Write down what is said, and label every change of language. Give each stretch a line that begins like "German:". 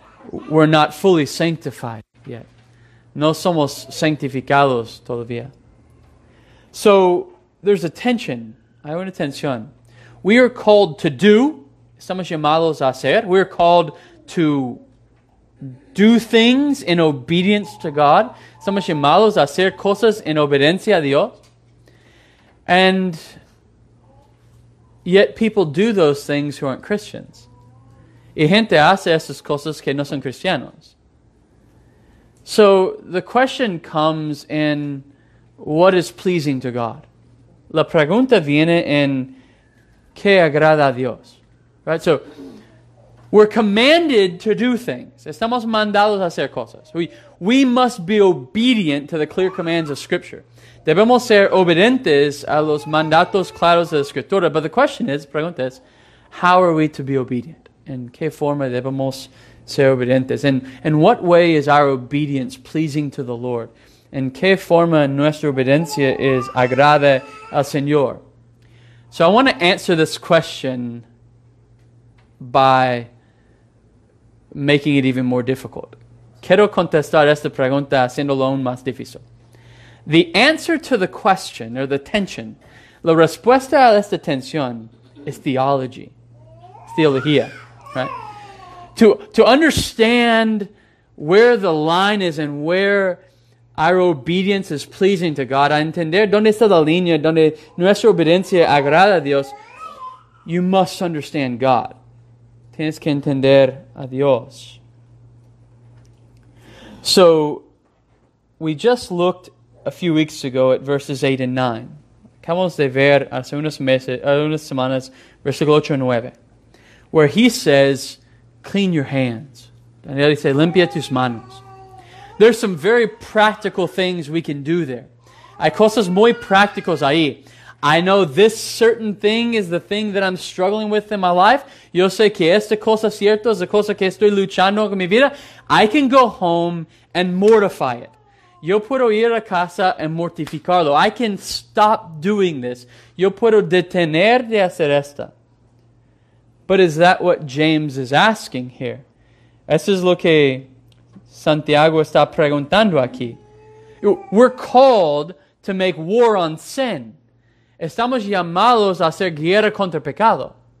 English: We're not fully sanctified yet.
Spanish: No somos sanctificados todavía.
English: So there's a tension.
Spanish: Hay una tensión.
English: We are called to do.
Spanish: Estamos llamados a hacer.
English: We are called to do things in obedience to God.
Spanish: Somos llamados a hacer cosas en obediencia a Dios.
English: And yet people do those things who aren't Christians.
Spanish: Y gente hace esas cosas que no son cristianos.
English: So the question comes in, what is pleasing to God?
Spanish: La pregunta viene en, ¿qué agrada a Dios?
English: Right? So, we're commanded to do things.
Spanish: Estamos mandados a hacer cosas.
English: We must be obedient to the clear commands of Scripture.
Spanish: Debemos ser obedientes a los mandatos claros de la Escritura.
English: But the question is,
Spanish: pregunta es,
English: how are we to be obedient?
Spanish: ¿En qué forma debemos ser obedientes?
English: And in what way is our obedience pleasing to the Lord?
Spanish: ¿En qué forma nuestra obediencia es agrada al Señor?
English: So I want to answer this question by making it even more difficult.
Spanish: Quiero contestar esta pregunta haciéndolo aún más difícil.
English: The answer to the question, or the tension,
Spanish: la respuesta a esta tensión
English: is theology. Theología, right? To understand where the line is and where our obedience is pleasing to God,
Spanish: a entender dónde está la línea, dónde nuestra obediencia agrada a Dios,
English: you must understand God.
Spanish: Tienes que entender a Dios.
English: So, we just looked a few weeks ago at verses 8 and 9.
Spanish: Acabamos de ver hace unas semanas, versículo 8 y 9,
English: where he says, clean your hands.
Spanish: Daniel dice, limpia tus manos.
English: There's some very practical things we can do there.
Spanish: Hay cosas muy prácticas ahí.
English: I know this certain thing is the thing that I'm struggling with in my life.
Spanish: Yo sé que esta cosa cierta es la cosa que estoy luchando con mi vida.
English: I can go home and mortify it.
Spanish: Yo puedo ir a casa y mortificarlo.
English: I can stop doing this.
Spanish: Yo puedo detener de hacer esta.
English: But is that what James is asking here?
Spanish: Eso es lo que Santiago está preguntando aquí.
English: We're called to make war on sin.
Spanish: Estamos llamados a hacer guerra contra pecado.